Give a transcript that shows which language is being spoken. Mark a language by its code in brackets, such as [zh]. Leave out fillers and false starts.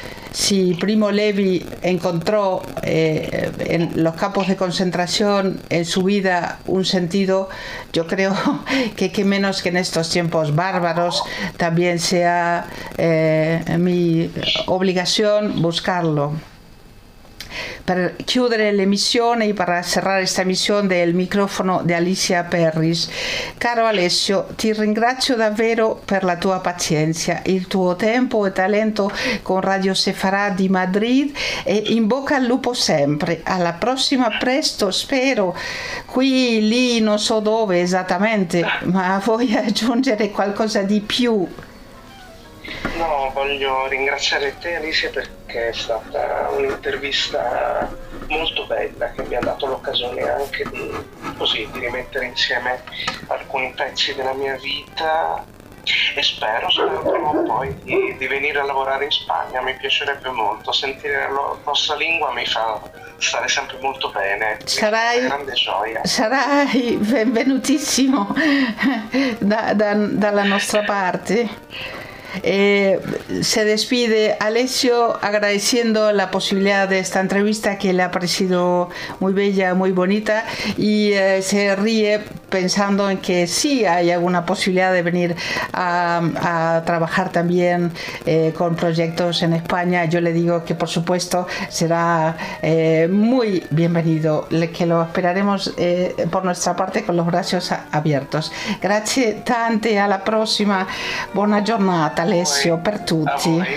[es] Sí, Primo Levi encontró en los campos de concentración en su vida un sentido. Yo creo que qué menos que en estos tiempos bárbaros también sea mi obligación buscarlo. [it] Per chiudere l'emissione e per cerrare questa emissione del microfono di Alicia Perris, caro Alessio, ti ringrazio davvero per la tua pazienza, il tuo tempo e talento con Radio Sefarà di Madrid, e in bocca al lupo sempre. Alla prossima, presto, spero, qui, lì, non so dove esattamente, ma vuoi aggiungere qualcosa di più? No, voglio ringraziare te, Alicia, perché è stata un'intervista molto bella che mi ha dato l'occasione anche di, così, di rimettere insieme alcuni pezzi della mia vita, e spero prima o poi di venire a lavorare in Spagna. Mi piacerebbe molto sentire la nostra lingua, mi fa stare sempre molto bene. Sarai una grande gioia. Sarai benvenutissimo dalla nostra parte. [es] Se despide Alessio agradeciendo la posibilidad de esta entrevista que le ha parecido muy bella, muy bonita, y se ríe pensando en que sí hay alguna posibilidad de venir a trabajar también con proyectos en España. Yo le digo que por supuesto será muy bienvenido, que lo esperaremos por nuestra parte con los brazos abiertos. [it] Grazie tante, alla prossima, buona giornata Alessio, per tutti.